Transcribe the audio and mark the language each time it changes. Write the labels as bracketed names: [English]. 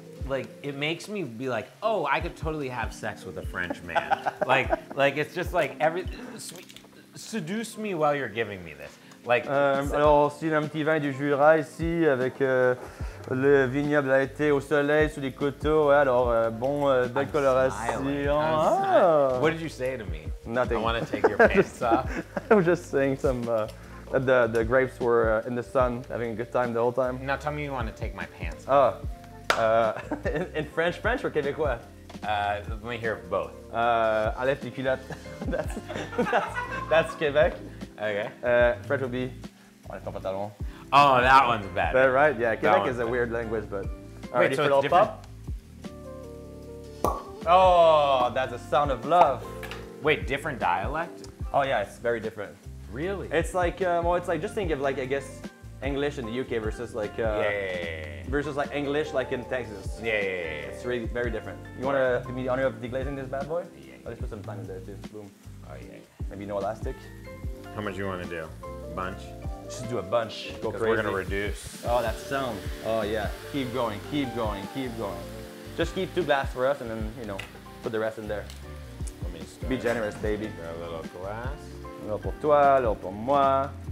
[English] I it makes me be like, oh, I could totally have sex with a French man. like it's just like, seduce me while you're giving me this. Like, [French] alors, c'est un petit vin du Jura ici, avec le vignoble a été au soleil, sous les coteaux, ouais, alors, bon, belle coloration. [English] What did you say to me? Nothing. I want to take your pants off. I was just saying some that the grapes were in the sun, having a good time the whole time. Now tell me you want to take my pants off. Oh, in French or Québécois? Let me hear both. [French] Enlève tes culottes. [English] That's Québec. Okay. French would be [French] enlève ton pantalon. [English] Oh, that one's bad. But, right? Yeah, Québec is a weird language, but. All right, so it's different. Pop? Oh, that's a sound of love. Wait, different dialect? Oh yeah, it's very different. Really? It's like, just think of like, I guess, English in the UK versus like versus like English like in Texas. Yeah. It's really very different. You wanna give me the honor of deglazing this bad boy? I'll just put some thyme in there too. Boom. Maybe no elastic. How much you wanna do? Bunch? Just do a bunch. Go crazy. We're gonna reduce. Oh, that sound. Oh yeah. Keep going, keep going, keep going. Just keep two glasses for us and then, you know, put the rest in there. Let me start. Be generous, baby. Grab a little glass. A little [French] pour toi, [English] a little [French] pour moi.